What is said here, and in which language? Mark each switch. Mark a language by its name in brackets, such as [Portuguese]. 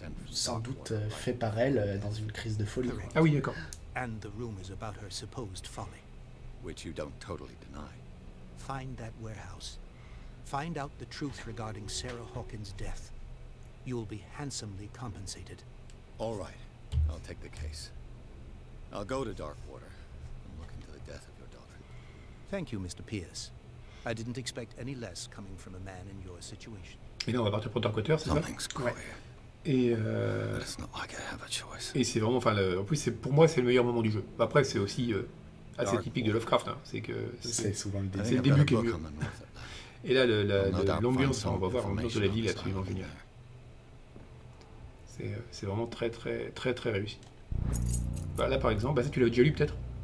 [French] sans doute fait par elle dans une crise de folie. Ah oui, d'accord. [English] And the room is about her supposed folly. Which you don't totally deny. Find that warehouse. Find out the truth regarding Sarah Hawkins' death. You will be handsomely compensated. All right, I'll take the case. I'll go to Darkwater and look into the death of your daughter. Thank you, Mr. Pierce. I didn't expect any less coming from a man in your situation. [French] Mais non, on va partir pour Darkwater, c'est ça? [English] Something's queer. [French] Ouais. [English] But it's not like I have a choice. [French] Et c'est vraiment, enfin, en plus, c'est, pour moi, c'est le meilleur moment du jeu. Après, c'est aussi assez typique de Lovecraft, hein. C'est que c'est souvent le début. C'est le début qui est mieux. Et là, l'ambiance, on va voir, l'ambiance de la ville est absolument géniale. C'est vraiment très, très, très, très réussi. Bah, là, par exemple, bah, ça, tu l'as déjà lu, peut-être?